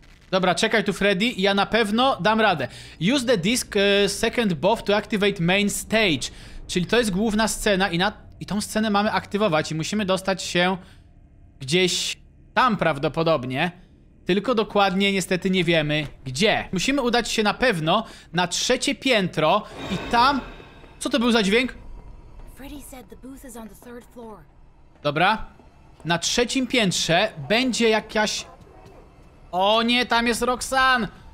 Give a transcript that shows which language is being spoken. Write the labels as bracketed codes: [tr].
[pl] Dobra, czekaj tu Freddy, ja na pewno dam radę. [en] Use the disc second buff to activate main stage. [pl] Czyli to jest główna scena i tą scenę mamy aktywować i musimy dostać się gdzieś tam prawdopodobnie. Tylko dokładnie niestety nie wiemy gdzie. Musimy udać się na pewno na trzecie piętro i tam... Co to był za dźwięk? [en] Freddy said the booth is on the third floor. [pl] Dobra. Na trzecim piętrze będzie jakaś... O nie, tam jest Roxanne!